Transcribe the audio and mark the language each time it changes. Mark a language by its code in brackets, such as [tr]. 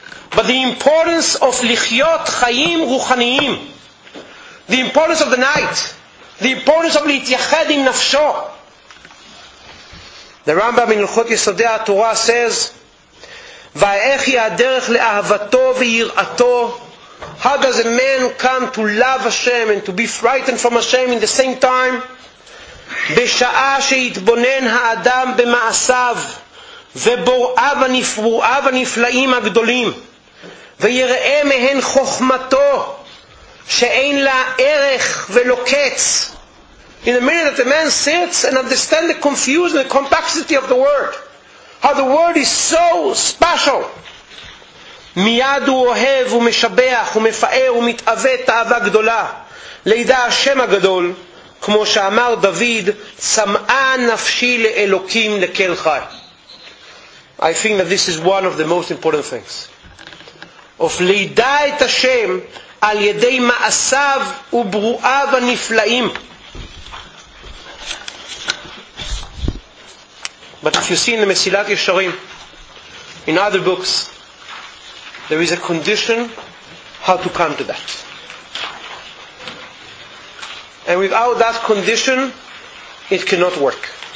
[en] But the importance of [he] lichyot chayim ruchaniim, [en] the importance of the night, the importance of [he] lityached im nafsho. [en] The Rambam in Hilchot Yesodei HaTorah says, [he] ואיך היא הדרך לאהבתו ויראתו? [en] How does a man come to love Hashem and to be frightened from Hashem in the same time? [he] בשעה שיתבונן האדם במעשיו ובוראיו הנפרועיו הנפלאים הגדולים ויראה מהן חוכמתו שאין לה ערך ולא קץ [en] in a minute that the man sits and understands the confusion and the complexity of the word. How the word is so special. [he] מיד הוא אוהב ומשבח ומפאר ומתאווה תאווה גדולה. לידע השם הגדול, כמו שאמר דוד, צמאה נפשי לאלוקים לכל חי. [en] I think that this is one of the most important things. [he] Of לידע את השם על ידי מעשיו וברואיו הנפלאים. [en] But if you see in the Mesilat Yesharim, in other books, there is a condition how to come to that. And without that condition, it cannot work.